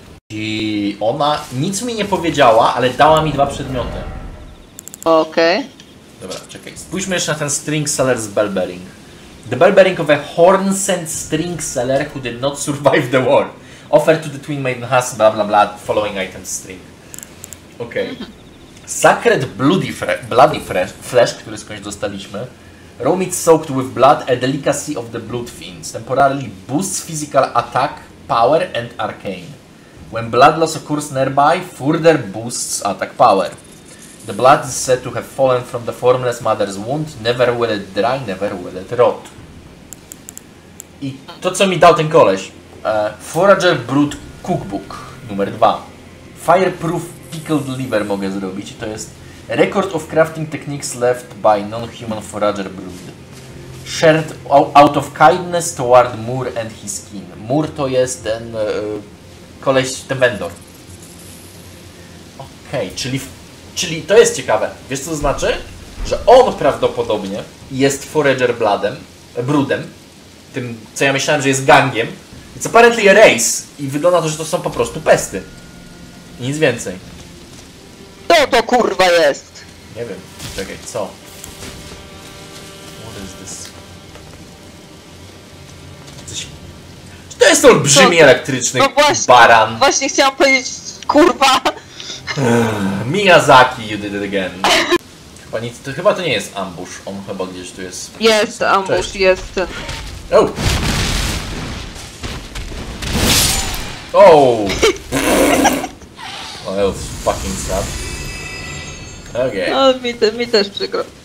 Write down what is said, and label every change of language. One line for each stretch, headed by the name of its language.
Polish: I ona nic mi nie powiedziała, ale dała mi dwa przedmioty. Okej. Okay. Dobra, czekaj. Spójrzmy jeszcze na ten String Seller's Bellbearing.
English: The Bellbearing of a Horn-Sent String Seller who did not survive the war. Offer to the Twin Maiden has bla bla bla following item string.
Polish: Okej. Okay. Sacred Bloody Flesh, który skądś dostaliśmy.
English: Raw meat soaked with blood, a delicacy of the Blood Fiends. Temporarily boosts physical attack, power and arcane. When blood loss occurs nearby, further boosts attack power. The blood is said to have fallen from the formless mother's wound. Never will it dry, never will it rot.
Polish: I to, co mi dał ten koleś. Forager Brood Cookbook, numer 2. Fireproof Pickled Liver mogę zrobić. To jest Record of Crafting Techniques Left by Non-Human Forager Brood.
English: Shared out of kindness toward Moore and his kin.
Polish: Moore to jest ten koleś, ten vendor. Okej, okay, czyli to jest ciekawe. Wiesz co to znaczy? Że on prawdopodobnie jest Forager Bloodem, Broodem. Tym, co ja myślałem, że jest gangiem.
English: It's apparently a race
Polish: i wygląda to, że to są po prostu pesty. I nic więcej. Co to kurwa jest? Nie wiem, czekaj, co?
English: What is this?
Polish: Coś... Czy to jest olbrzymi elektryczny no właśnie, baran? Właśnie chciałam powiedzieć, kurwa.
English: Miyazaki, you did it again.
Polish: Chyba nic, to chyba to nie jest ambush, on chyba gdzieś tu jest. Jest ambush, jest. O!
English: Oh! Oh, that was fucking sad. Okay.
Polish: No, mi też przykro.